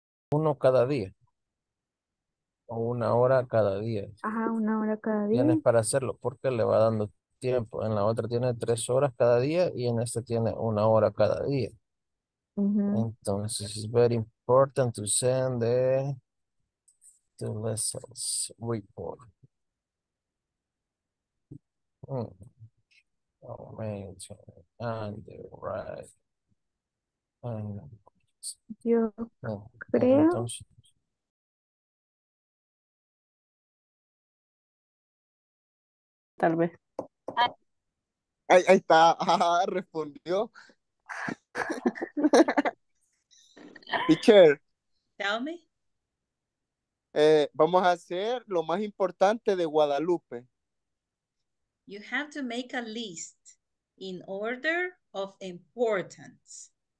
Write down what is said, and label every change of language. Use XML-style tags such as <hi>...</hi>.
<es>Uno cada día. O una hora cada día. Ajá, una hora cada día. Tienes para hacerlo porque le va dando tiempo. En la otra tiene 3 horas cada día y en este tiene 1 hora cada día. Uh-huh. Entonces,</es> <en>it's very important to send the two lessons report. And the right.</en> <es>Yo creo. Tal vez. Ahí, ahí está. Ah, respondió.</es> <en>Teacher. Tell me.</en> <es>Vamos a hacer lo más importante de Guadalupe.</es> <en>You have to make a list in order of importance.</en>